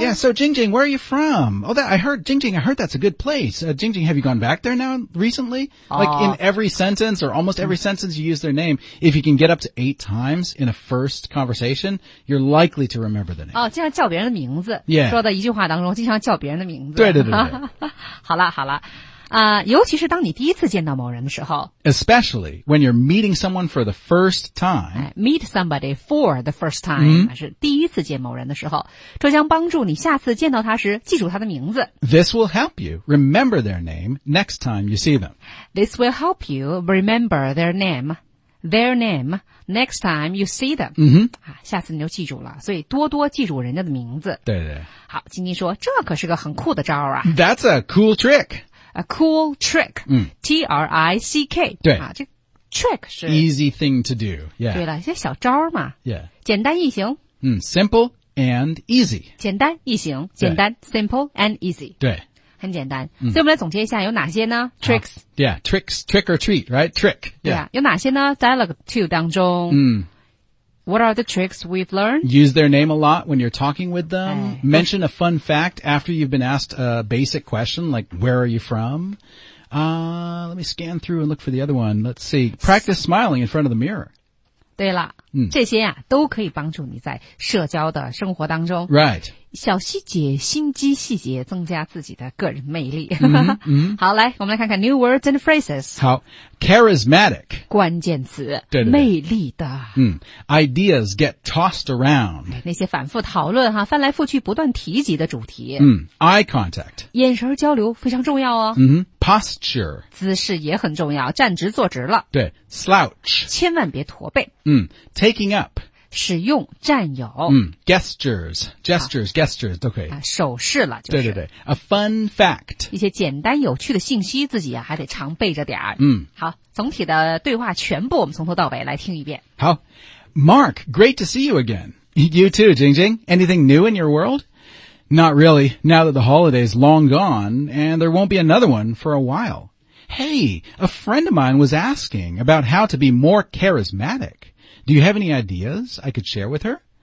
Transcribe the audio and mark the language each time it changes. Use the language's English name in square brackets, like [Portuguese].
[English] Yeah, so Jing Jing, where are you from? Oh, that, I heard, Jing Jing, I heard that's a good place. Jing Jing, have you gone back there now recently? Like in every sentence or almost every sentence you use their name, if you can get up to 8 times in a first conversation, you're likely to remember the name. [Chinese] 哦，经常叫别人的名字。 [English] Yeah. [Chinese] 说的一句话当中经常叫别人的名字。对对对对。好了好了。尤其是当你第一次见到某人的时候。 [English] Especially when you're meeting someone for the first time. Meet somebody for the first time,、 mm-hmm. [Chinese] 是第一次见某人的时候。这将帮助你下次见到他时记住他的名字。 [English] This will help you remember their name next time you see them. This will help you remember their name next time you see them.、 Mm-hmm. [Chinese] 啊、下次你就记住了。所以多多记住人家的名字。对对。好，晶晶说这可是个很酷的招啊。 [English] That's a cool trick. A cool trick,、嗯、 T-R-I-C-K. [Chinese] 对、啊、这 trick 是 [English] easy thing to do.、Yeah. [Chinese] 对了，一些小招嘛。 [English] Yeah. [Chinese] 简单易行。 [English] 嗯 ,simple and easy. [Chinese] 简单易行，简单 , [English] simple and easy. [Chinese] 对。很简单、嗯。所以我们来总结一下有哪些呢 ?tricks.、 [English] 啊、yeah, tricks, trick or treat, right? Trick. Yeah. [Chinese] 对、啊、有哪些呢 ?Dialogue 2当中。嗯。 [English] What are the tricks we've learned? Use their name a lot when you're talking with them. Mention a fun fact after you've been asked a basic question, like, where are you from? Let me scan through and look for the other one. Let's see. Practice smiling in front of the mirror. [Chinese] 对了、嗯、这些、啊、都可以帮助你在社交的生活当中。 [English] Right. [Chinese] 小细节、心机细节增加自己的个人魅力。 mm-hmm, mm-hmm. 好，来，我们来看看 [English] new words and phrases. 好。Charismatic. [Chinese] 关键词。对对对。魅力的。 [English] 嗯。Ideas get tossed around. [Chinese] 那些反复讨论哈翻来覆去不断提及的主题。 [English] 嗯。Eye contact. [Chinese] 眼神交流非常重要哦。 [English] 嗯、mm-hmm.。Posture. [Chinese] 姿势也很重要站直坐直了。 [English] 对。Slouch. [Chinese] 千万别驼背。 [English] 嗯。Taking up. [Chinese] 使用占有、嗯、gestures 都可以、啊、手势了、就是、 [English] 对对对 a fun fact [Chinese] 一些简单有趣的信息自己、啊、还得常背着点嗯，好总体的对话全部我们从头到尾来听一遍 [English] 好 Mark great to see you again you too Jing Jing anything new in your world not really now that the holiday is long gone and there won't be another one for a while hey a friend of mine was asking about how to be more charismaticDo you have any ideas I could share with her?